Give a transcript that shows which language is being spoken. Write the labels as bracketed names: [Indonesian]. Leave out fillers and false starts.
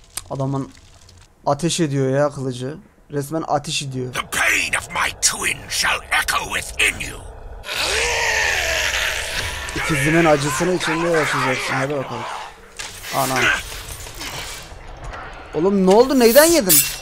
[Turkish] Adamın ateş ediyor ya kılıcı. Resmen ateş ediyor. [English] The pain of my twin shall echo within you. [Turkish] İkizinin acısını içinde yaşayacaksın. Hadi bakalım. Ana. Oğlum ne oldu? Neyden yedin?